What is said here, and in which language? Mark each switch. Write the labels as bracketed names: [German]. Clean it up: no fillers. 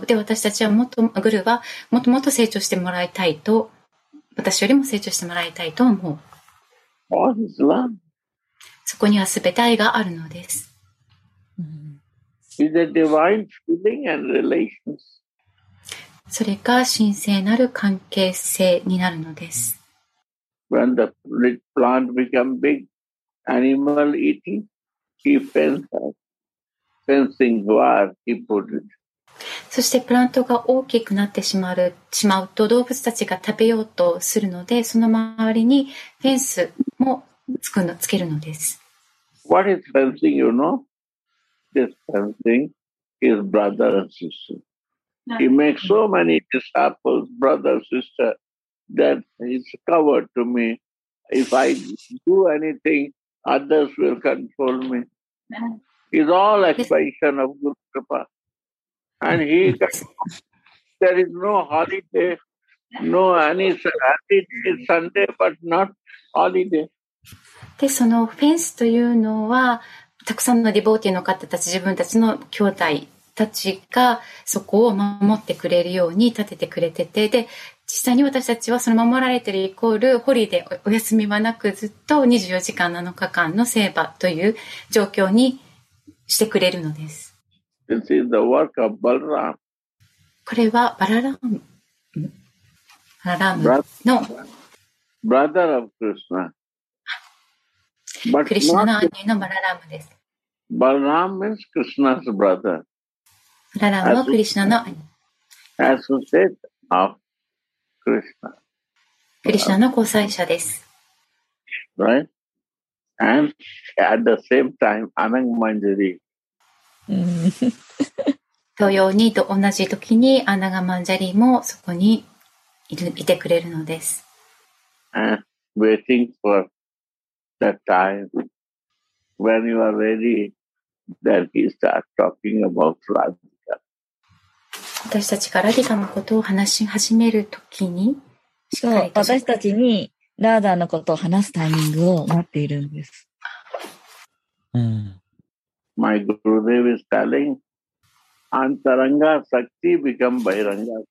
[Japanese] で、私たちはもっと、グルはもっともっと成長してもらいたいと、私よりも成長してもらいたいと思う。 [English] All his love. [Japanese] そこには全て愛があるのです。 [English] It's a divine feeling and relations. [Japanese] それが神聖なる関係性になるのです。 [English] When the plant become big, animal eating, he fencing war, he put it. そしてプラントが大きくなってしまうと動物たちが食べようとするので、その周りにフェンスもつけるのです。 What is fencing, you know? This fencing is brother and sister. He makes so many disciples, brother, sister, that it's covered to me. If I do anything, others will control me. It's all expression of Guru Kripa. And he, there is no holiday, no any Saturday, Sunday, but not holiday. [Japanese] で、そのフェンスというのは、たくさんのディボーティーの方たち、自分たちの兄弟、たちがそこを守ってくれるように立ててくれてて、で、実際に私たちはその守られているイコールホリデー、お休みはなくずっと24時間7日間の聖場という状況にしてくれるのです。 [English] This is the work of Balaram. [Japanese] これはバララムの [English] Brother of Krishna. [Japanese] クリシュナの兄のバララムです。 [English] バララム is Krishna's brother [Japanese] ラランはクリシュナの兄。 [English] アソシエート of Krishna。 [Japanese] クリシュナの交際者です。 [English] Right? And at the same time, Anang Manjari. [Japanese] 同様にと同じ時にアナガマンジャリもそこにいてくれるのです。 [English] And waiting for the time when you are ready, then he starts talking about Radha. [Japanese] 私たちがラディカのことを話し始めるときに、そう、私たちにラーダーのことを話すタイミングを待っているんです。 [English] My Gurudev is telling, Antaranga Shakti become Bahiranga.